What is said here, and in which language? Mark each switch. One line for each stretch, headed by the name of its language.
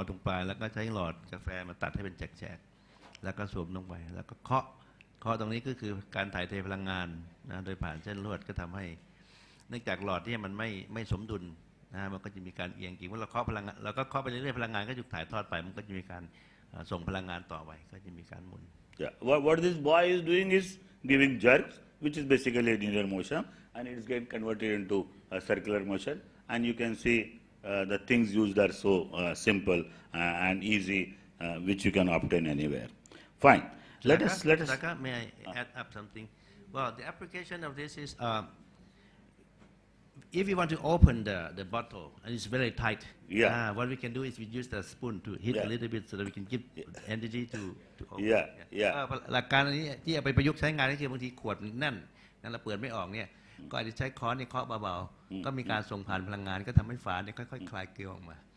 Thai: ทดลองเกี่ยวกับการเคลื่อนที่แบบหมุนนะครับก็มีลวดรู้สึกจะเป็นซี่ลวดจักรยานนะฮะอันนี้อาจารย์ใช้ลวดอะไรก็ได้มาตัดตรงงอตรงปลายแล้วก็ใช้หลอดกาแฟมาตัดให้เป็นแจกๆ แล้วก็สวมลงไปแล้วก็เคาะเคาะตรงนี้ก็คือการถ่ายเทพลังงานนะโดยผ่านเส้นลวดก็ทําให้เนื่องจากหลอดที่มันไม่สมดุลนะมันก็จะมีการเอียงกิ่งเมื่อเราเคาะพลังงานเราก็เคาะไปเรื่อยๆพลังงานก็ถูกถ่ายทอดไปมันก็จะมีการส่งพลังงานต่อไปก็จะมีการหมุน
English: Yeah. What this boy is doing is giving jerks, which is basically a linear motion, and it is getting converted into a circular motion. And you can see the things used are so simple and easy, which you can obtain anywhere. Fine. Let us. May I add up something? Well, the application of this is if you want to open the bottle and it's very tight, yeah. What we can do is we use the spoon to hit a little bit so that we can give energy to open. Yeah.
Thai: หลักการนี้ที่เอาไปประยุกต์ใช้งานก็คือบางทีขวดแน่นแล้วเปิดไม่ออกเนี่ยก็อาจจะใช้ค้อนนี่เคาะเบาๆก็มีการส่งผ่านพลังงานก็ทำให้ฝาเนี่ยค่อยๆคลายเกลียวออกมา